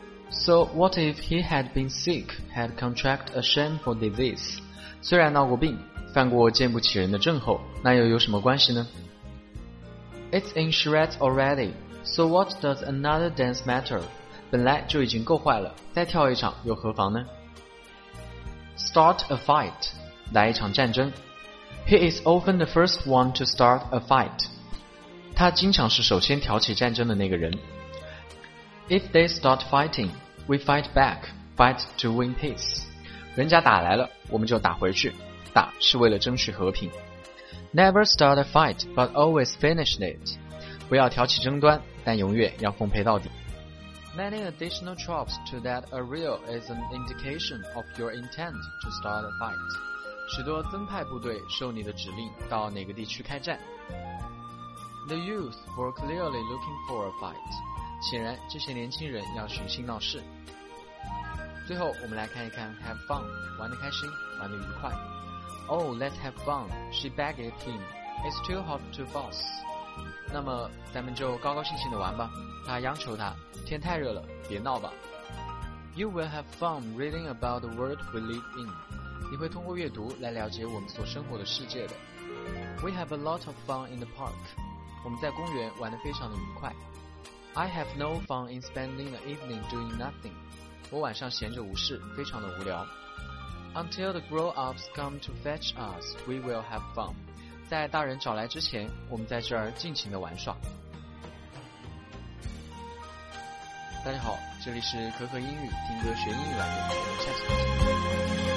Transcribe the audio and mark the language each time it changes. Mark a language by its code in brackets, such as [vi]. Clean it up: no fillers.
[en] So what if he had been sick, had contracted a shameful disease? [zh] 虽然闹过病，犯过见不起人的症候，那又有什么关系呢？ [en] It's in shreds already, so what does another dance matter? [zh] 本来就已经够坏了，再跳一场又何妨呢？ [en] Start a fight, 来一场战争。 He is often the first one to start a fight. [zh] 他经常是首先挑起战争的那个人。 [en] If they start fighting, we fight back, fight to win peace. [zh] 人家打来了，我们就打回去，打是为了争取和平。 [en] Never start a fight, but always finish it. [zh] 不要挑起争端，但永远要奉陪到底。 [en] Many additional troops to that arrear is an indication of your intent to start a fight. [zh] 许多增派部队受你的指令到哪个地区开战。 [en] The youth were clearly looking for a fight. [zh] 显然这些年轻人要寻衅闹事。最后我们来看一看 Have fun 玩得开心玩得愉快。 [en] Oh let's have fun She begged him It's too hot to boss [zh] 那么咱们就高高兴兴地玩吧，他央求他，天太热了别闹吧。 [en] You will have fun reading about the world we live in [zh] 你会通过阅读来了解我们所生活的世界的。 [en] We have a lot of fun in the park [zh] 我们在公园玩得非常的愉快。 [en] I have no fun in spending the evening doing nothing. [zh] 我晚上闲着无事，非常的无聊。 [en] Until the grown-ups come to fetch us, we will have fun. [zh] 在大人找来之前，我们在这儿尽情的玩耍。大家好，这里是可可英语听歌学英语栏目，我们下期再见。